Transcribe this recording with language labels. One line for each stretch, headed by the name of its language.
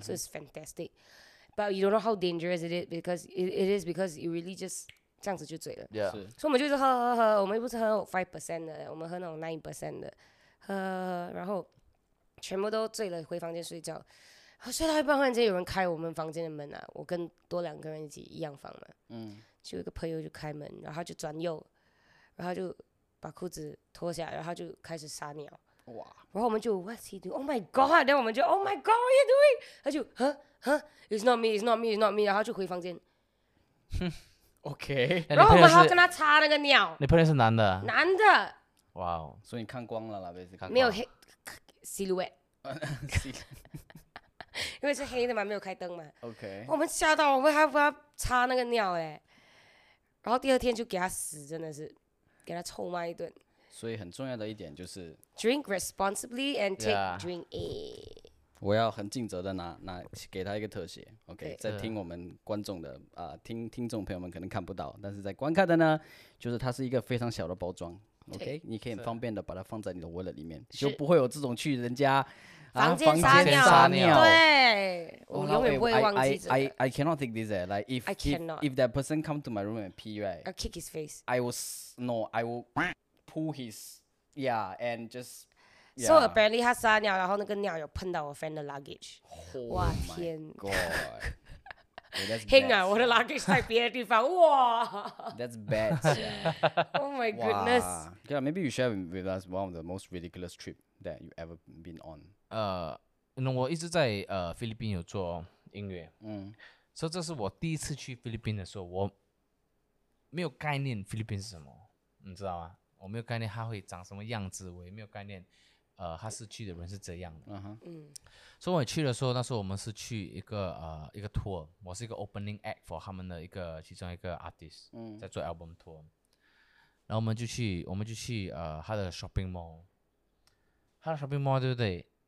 English: So it's fantastic But you don't know how dangerous it is Because it is because you really just
Chinese: 这样子就醉了
English: yeah.
Chinese: 所以我们就是喝喝喝我们又不是喝 5% 的我们喝那种 9% 的喝然后全部都醉了回房间睡觉睡到一半忽然间有人开我们房间的门、啊、我跟多两个人一起一样房嘛、mm. 就有一个朋友就开门然后就转右然后就把裤子脱下然后就开始撒尿哇然后我们就
English: What's he doing? Oh my god
Chinese: Then 我们就
English: Oh my god What are you doing?
Chinese: 他就 Huh?
English: It's not me It's not me It's not me
Chinese: 然后就回房间
English: OK
Chinese: 然后我们还要跟他擦那个尿你朋友是男的男的哇、wow. 所以你看光了啦看光没有黑 Silhouette 因为是黑的嘛没有开灯嘛
English: OK
Chinese: 我们吓到我们还要跟他擦那个尿耶然后第二天就给他死真的是给他臭骂一顿。所以很重要的一点就是
English: drink responsibly and take、 yeah. drink A。
Chinese: 我要很尽责的拿给他一个特写 ，OK？ 在听我们观众的啊、听众朋友们可能看不到，但是在观看的呢，就是它是一个非常小的包装 ，OK？你可以很方便的把它放在你的 wallet 里面，就不会有这种去人家。房间撒尿，对，我永远不会忘记这个。
English: I cannot take this. Like if I cannot. If that person come to my room and pee, right? I'll kick his face. I will pull his yeah and just. Yeah. So apparently
Chinese: 他撒尿，然后那个尿有喷到我 friend 的 luggage. Oh 哇天
English: ！God. Hang on,
Chinese: 我的 luggage 在别的地方。哇
English: ！That's bad. Oh my goodness. Yeah, maybe you share with us one of the most ridiculous trip that you ever been on.
Chinese: 我一直在菲律宾有做音乐，所以这是我第一次去菲律宾的时候，我没有概念菲律宾是什么，你知道吗？我没有概念它会长什么样子，我也没有概念，它是去的人是怎样的，所以我去的时候，那时候我们是去一个 tour， 我是一个 opening act for 他们的一个其中一个 artist，在做 album tour， 然后我们就去他的 shopping mall， 他的 shopping mall 对不对？